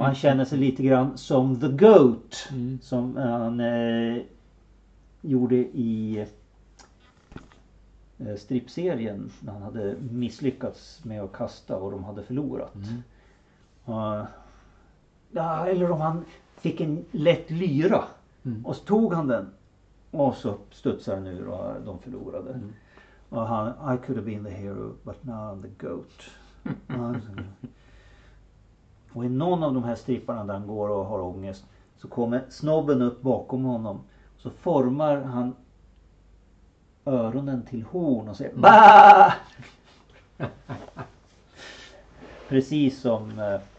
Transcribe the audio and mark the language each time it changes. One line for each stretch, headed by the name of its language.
Swedish: Han känner sig lite grann som The Goat. Som han gjorde i strippserien när han hade misslyckats med att kasta och de hade förlorat. Ja, eller om han fick en lätt lyra och så tog han den och så studsade han ur och de förlorade. Och han,
English: I could have been the hero but now I'm the goat.
Swedish: Och i någon av de här stripparna där han går och har ångest så kommer snobben upp bakom honom. Så formar han öronen till horn och säger BAAA! Precis som